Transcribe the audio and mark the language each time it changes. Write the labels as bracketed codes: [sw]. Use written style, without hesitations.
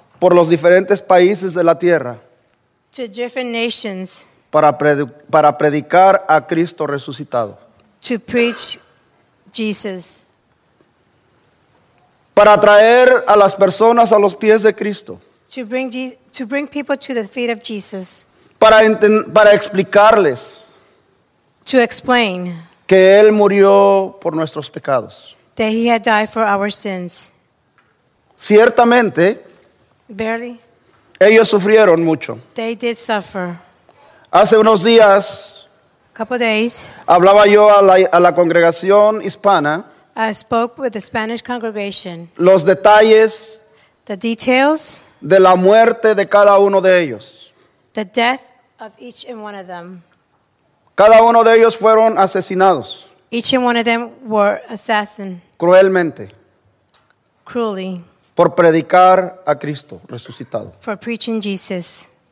[es] Por los diferentes países de la tierra. [en] To different nations. [es] Para predicar a Cristo resucitado. [en] To preach Jesus. [es] Para traer a las personas a los pies de Cristo. [en] To bring people to the feet of Jesus. [es] Para explicarles. [en] To explain. [es] Que Él murió por nuestros pecados. [en] That He had died for our sins. [es] Ciertamente. [en] Barely. [es] Ellos sufrieron mucho. [en] They did suffer. [es] Hace unos días. [en] A couple days. [es] Hablaba yo a la congregación hispana. [en] I spoke with the Spanish congregation. [es] Los detalles. [en] The details. [es] De la muerte de cada uno de ellos. [en] The death of each and one of them. [es] Cada uno de ellos fueron asesinados. [en] Each and one of them were assassined. [es] Cruelmente. [en] Cruelly. [es] Por predicar a Cristo resucitado. [en] For preaching Jesus.